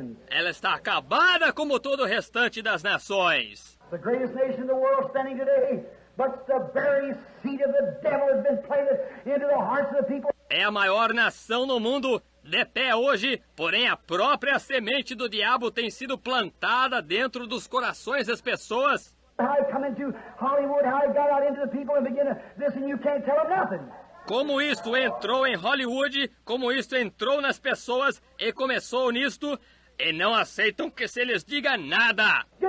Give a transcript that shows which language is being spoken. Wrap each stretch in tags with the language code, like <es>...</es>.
<pt>Ela está acabada como todo o restante das nações.</pt> <en>The greatest nation in the world standing today, but the very seed of the devil has been planted into the hearts of the people.</en> <pt>É a maior nação no mundo de pé hoje, porém a própria semente do diabo tem sido plantada dentro dos corações das pessoas.</pt> <en>How I come into Hollywood, how I got out into the people and begin this and you can't tell them nothing.</en> <pt>Como isto entrou em Hollywood, como isto entrou nas pessoas e começou nisto, e não aceitam que se lhes diga nada.</pt>